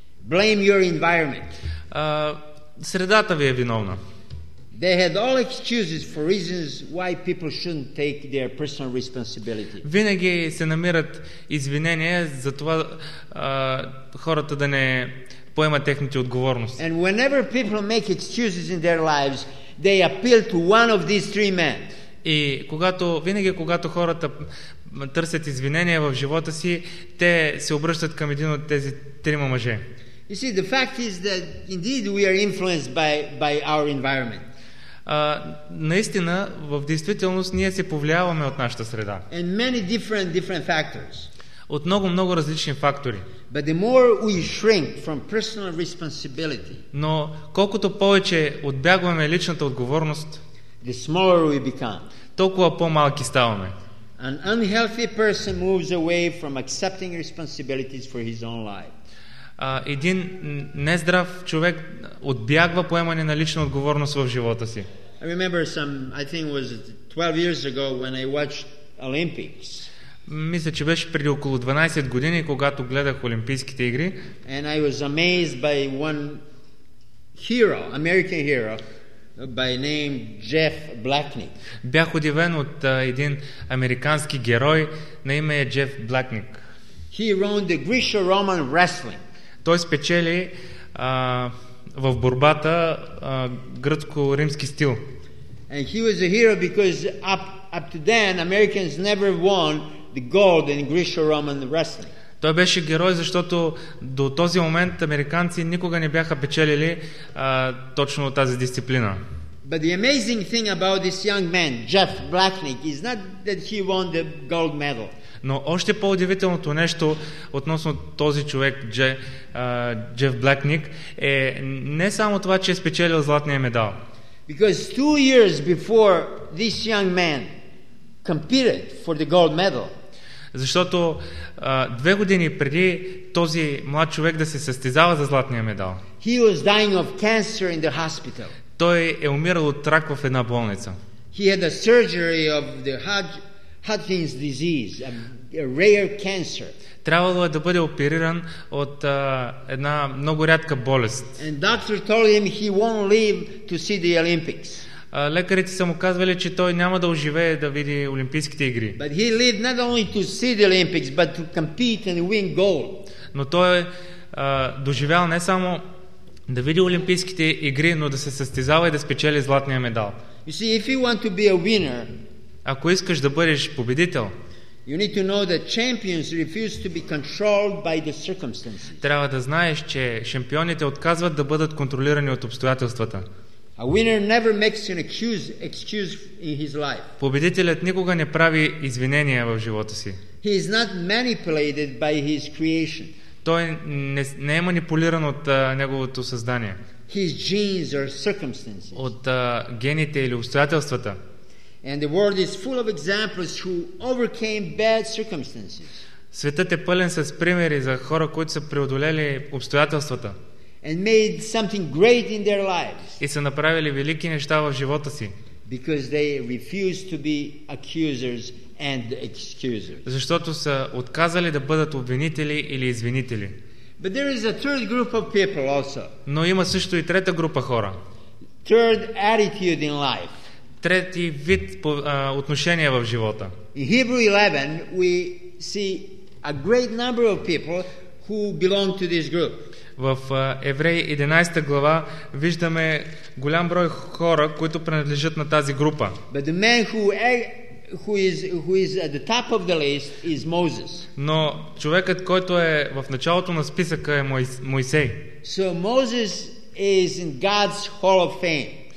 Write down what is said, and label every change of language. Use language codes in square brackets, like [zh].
[en] Blame your environment. [bg] Средата ви е виновна. [en] They had all excuses for reasons why people shouldn't take their personal responsibility. [bg] Винаги се намират извинения за това хората да не поемат техните отговорности. [en] And whenever people make excuses in their lives, they appeal to one of these three men. [bg] И когато хората търсят извинения в живота си, те се обръщат към един от тези трима мъже. [en] You see, the fact is that indeed we are influenced by our environment. [bg] Наистина, в действителност ние се повлияваме от нашата среда. [en] And many different factors. [bg] От много различни фактори. [en] But the more we shrink from personal responsibility. [bg] Но колкото повече отбягваме личната отговорност, [en] the smaller we become. [bg] Толкова по-малки ставаме. [en] An unhealthy person moves away from accepting responsibilities for his own life. [bg] Един нездрав човек отбягва поемане на лична отговорност в живота си. [en] I remember some, I think it was 12 years ago when I watched Olympics. [bg] Мисля, че беше преди около 12 години, когато гледах Олимпийските игри. [en] And I was amazed by one hero, American hero, by name Jeff Blacknick. [bg] Бях удивен от един американски герой на име е Jeff Blacknick. [en] He won the Greco-Roman wrestling. [bg] Той спечели в борбата гръцко-римски стил. [en] And he was a hero because up to then Americans never won the gold in Greco-Roman wrestling. [bg] Той беше герой, защото до този момент американци никога не бяха печелили точно тази дисциплина. [en] But the amazing thing about this young man, Jeff Blacknick, is not that he won the gold medal. [bg] Но още по-удивителното нещо относно този човек, Джеф Блекник, е не само това, че е спечелил златния медал. [en] Because 2 years before this young man competed for the gold medal. [bg] Защото 2 години преди този млад човек да се състезава за златния медал. [en] He was dying of cancer in the hospital. [bg] Той е умирал от рак в една болница. [en] He had a surgery of the Hodgkin's disease, a rare cancer. [bg] Трябвало да бъде опериран от една много рядка болест. [en] And doctor told him he won't live to see the Olympics. [bg] Лекарите са му казвали, че той няма да оживее да види Олимпийските игри. [en] But he lived not only to see the Olympics, but to compete and win gold. [bg] Но той доживял не само да види Олимпийските игри, но да се състезава и да спечели златния медал. [en] You see, if you want to be a winner, [bg] ако искаш да бъдеш победител, [en] you need to know that champions refuse to be controlled by the circumstances. [bg] Трябва да знаеш, че шампионите отказват да бъдат контролирани от обстоятелствата. [en] A winner never makes an excuse in his life. [bg] Победителят никога не прави извинения в живота си. [en] He is not manipulated by his creation. [bg] Той не е манипулиран от неговото създание. [en] His genes are circumstances. [bg] От гените или обстоятелствата. [en] And the world is full of examples who overcame bad circumstances. [bg] Светът е пълен с примери за хора, които са преодолели обстоятелствата. [en] And made something great in their lives. [bg] И са направили велики неща в живота си. [en] Because they refuse to be accusers and excusers. [bg] Защото са отказали да бъдат обвинители или извинители. [en] But there is a third group of people also. [bg] Но има също и трета група хора. [en] Third attitude in life. [bg] трети вид отношение в живота. [en] In Hebrew 11 we see a great number of people who belong to this group. [bg] В Евреи 11 глава виждаме голям брой хора, които принадлежат на тази група. [en] But the man who is at the top of the list is Moses. [bg] Но човекът, който е в началото на списъка, е Моисей. [en] So Moses is in God's Hall of Fame.